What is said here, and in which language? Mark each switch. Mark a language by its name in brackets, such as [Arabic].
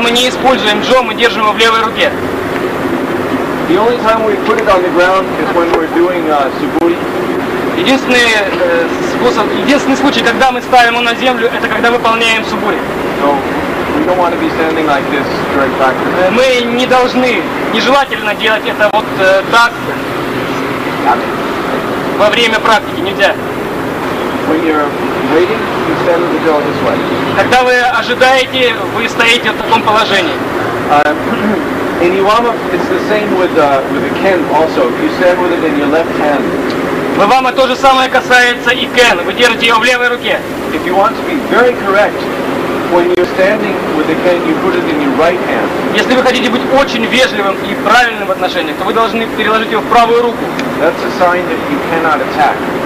[Russian] мы не используем Джо, мы держим его в левой руке. [English] The only time we put it on the ground is when we're doing Suburi. [Russian] Единственный случай, когда мы ставим его на землю, это когда выполняем Suburi. [English] No, we don't want to be standing like this during practice. [Russian] Мы не должны, нежелательно делать это вот так во время практики, нельзя. [English] When you're waiting, you stand on the jaw this way. [Russian] Когда вы ожидаете, вы стоите в таком положении. [English] In Iwama, it's the same with the ken also. You stand with it in your left hand. [Russian] В Iwama то же самое касается и ken. Вы держите его в левой руке. [English] If you want to be very correct, when you're standing with the ken, you put it in your right hand. [Russian] Если вы хотите быть очень вежливым и правильным в отношении, то вы должны переложить его в правую руку. [English] That's a sign that you cannot attack.